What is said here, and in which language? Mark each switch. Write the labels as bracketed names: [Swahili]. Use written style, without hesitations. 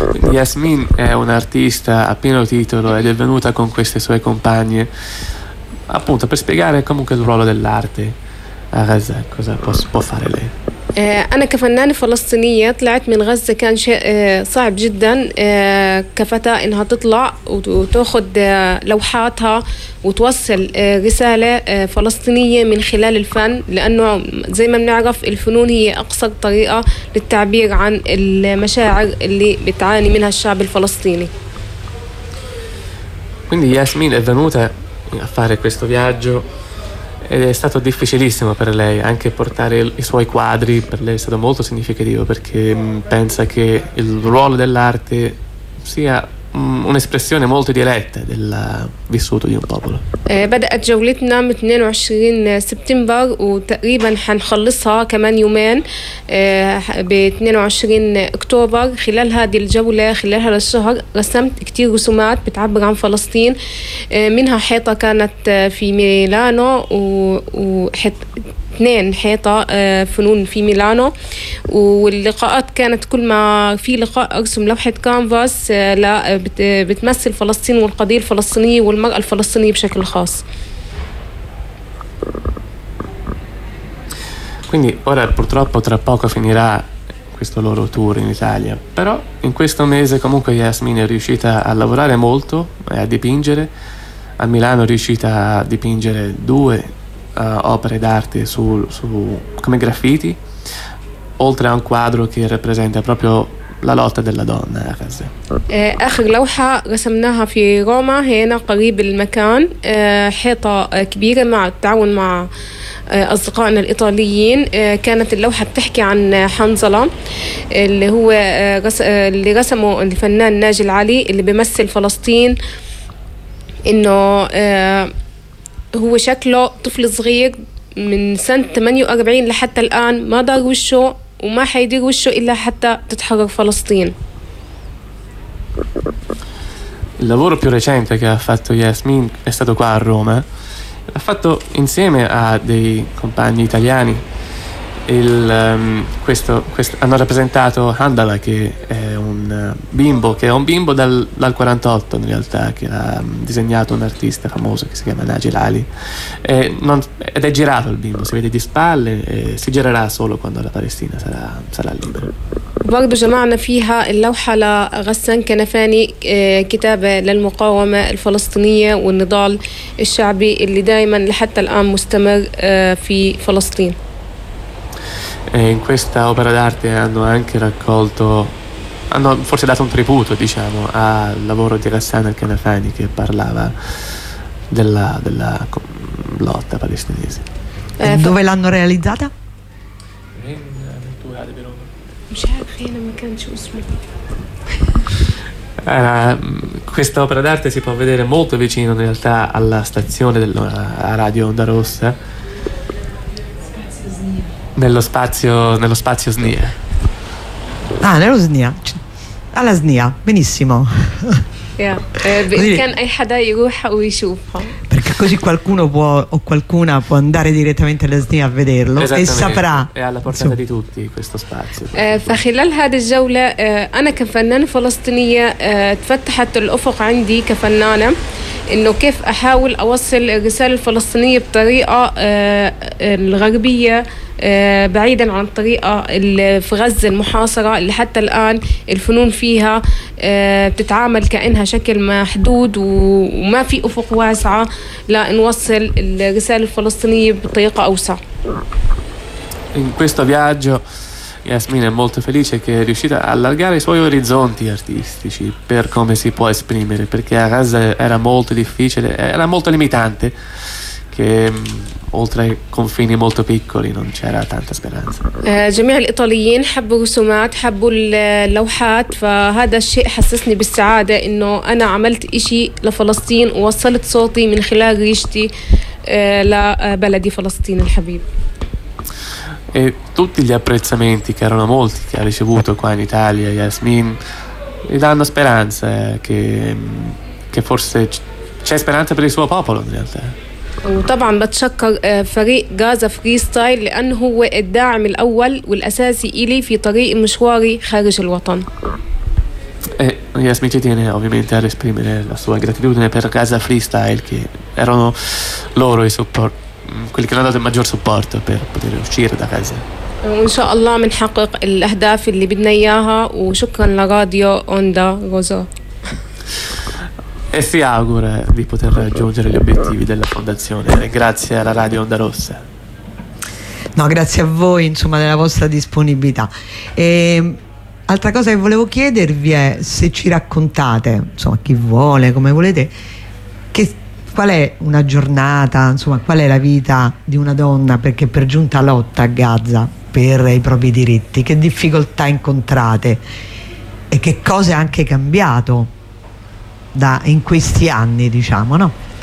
[Italian] Yasmin è un'artista a pieno titolo ed è venuta con queste sue compagne appunto per spiegare comunque il ruolo dell'arte a Gaza, cosa può fare lei. [Arabic] انا كفنانه فلسطينيه طلعت من غزه كان شيء صعب جدا كفتاة انها تطلع وتاخذ لوحاتها وتوصل رساله فلسطينيه من خلال الفن لانه زي ما بنعرف الفنون هي اقصر طريقه للتعبير عن المشاعر اللي بتعاني منها الشعب الفلسطيني. [Italian] Quindi Yasmin è venuta a fare questo viaggio ed è stato difficilissimo per lei anche portare i suoi quadri, per lei è stato molto significativo perché pensa che il ruolo dell'arte sia un'espressione molto diretta del vissuto di un popolo. [Arabic] بدأت جولتنا من 22 سبتمبر وتقريبا حنخلصها كمان يومين ب 22 اكتوبر. خلال هذه الجولة خلال هذا الشهر رسمت كتير رسومات بتعبر عن فلسطين منها حيطة كانت في ميلانو اثنين حيطة فنون في ميلانو واللقاءات كانت كل ما في لقاء أرسم لوحة كانفاس بتمثل فلسطين والقضية الفلسطينية والمرأة الفلسطينية بشكل خاص. [Italian] Quindi ora purtroppo tra poco finirà questo loro tour in Italia, però in questo mese comunque Yasmin è riuscita a lavorare molto e a dipingere. A Milano è riuscita a dipingere due opere d'arte su come graffiti, oltre a un quadro che rappresenta proprio la lotta della donna a casa. [Arabic] آخر لوحة رسمناها في روما هنا قريب المكان حيطة كبيرة مع التعاون مع أصدقائنا الإيطاليين كانت اللوحة بتحكي عن حنظلة اللي هو اللي رسمه الفنان ناجي العلي اللي بيمثل فلسطين إنه هو شكله طفل صغير من سنة 48 لحتى الآن ما دار وشه وما حيدير وشه إلا حتى تتحرر فلسطين. [Italian] Il lavoro più recente che ha fatto Yasmin è stato qua a Roma. L'ha fatto insieme a dei compagni italiani. Questo hanno rappresentato Handala, che è un bimbo, che è un bimbo dal 48 in realtà, che ha disegnato un artista famoso che si chiama Naji Lali, ed è girato il bimbo, si vede di spalle e si girerà solo quando la Palestina sarà libera. [Arabic] برضو جمعنا فيها اللوحة لغسان كنفاني كتابة للمقاومة الفلسطينية والنضال الشعبي اللي دائما لحتى الآن مستمر في فلسطين. [Italian] In questa opera d'arte hanno anche raccolto, hanno forse dato un tributo, diciamo, al lavoro di Ghassan al-Kanafani che parlava della lotta palestinese. Dove l'hanno realizzata? Questa opera d'arte si può vedere molto vicino in realtà alla stazione della Radio Onda Rossa. Nello spazio SNIA. Ah, nello SNIA. Alla SNIA, benissimo. Perché così qualcuno può o qualcuna può andare direttamente alla SNIA a vederlo e saprà. È alla portata di tutti questo spazio. [Arabic] فخلال هذه الجولة أنا كفنانة فلسطينية تفتحت الأفق عندي كفنانة إنه كيف أحاول أوصل الرسالة الفلسطينية بطريقة الغربية بعيدا عن الطريقة اللي في غزة المحاصرة اللي حتى الآن الفنون فيها بتتعامل كأنها شكل محدود وما في أفق واسعة لنوصل الرسالة الفلسطينية بطريقة أوسع. [Italian] in questo viaggio Yasmine è molto felice che è riuscita a allargare i suoi orizzonti artistici per come si può esprimere, perché a casa era molto difficile, era molto limitante, che oltre ai confini molto piccoli non c'era tanta speranza. [Arabic] جميع الايطاليين حبوا الرسومات حبوا اللوحات فهذا الشيء حسسني بالسعاده انه انا عملت شيء لفلسطين ووصلت صوتي من خلال ريشتي لبلدي فلسطين الحبيب. [Italian] E tutti gli apprezzamenti, che erano molti, che ha ricevuto qua in Italia Yasmin, gli danno speranza che forse c'è speranza per il suo popolo in realtà. [Arabic] وطبعا بتشكر فريق غازا فريستايل لانه هو الداعم الاول والاساسي الي في طريق مشواري خارج الوطن. [Italian] E Yasmin ci tiene ovviamente ad esprimere la sua gratitudine per Gaza Freestyle, che erano loro i supporti, quelli che hanno dato il maggior supporto per poter uscire da casa. [Arabic] إن شاء الله منحقق الأهداف اللي بدنا إياها وشكرا لراديو أوندا غوزا. [Italian] E si augura di poter raggiungere gli obiettivi della fondazione grazie alla Radio Onda Rossa. No, grazie a voi, insomma, della vostra disponibilità. E altra cosa che volevo chiedervi è se ci raccontate, insomma, chi vuole, come volete, che qual è una giornata, insomma, qual è la vita di una donna, perché per giunta lotta a Gaza per i propri diritti, che difficoltà incontrate e che cosa è anche cambiato da in questi anni, diciamo, no?